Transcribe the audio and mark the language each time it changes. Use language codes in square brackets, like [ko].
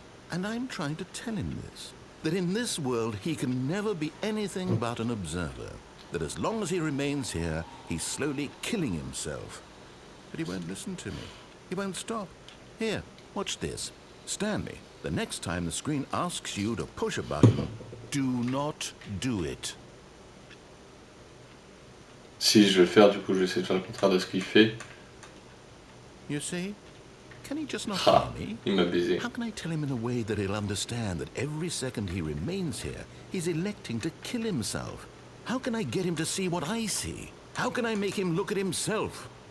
[en] And I'm trying to tell him this, that in this world, he can never be anything but an observer, that as long as he remains here, he's slowly killing himself. But he won't listen to me. He won't stop. Here, watch this. Stanley, the next time the screen asks you to push a button, do not do it. [fr] Si je vais faire, du coup, je vais essayer de faire le contraire de ce qu'il fait. [en] You see? Can he just not hear me? [fr] Il m'a baisé. [en] How can I tell him in a way that he'll understand that every second he remains here, he's electing to kill himself? How can I get him to see what I see? How can I make him look at himself?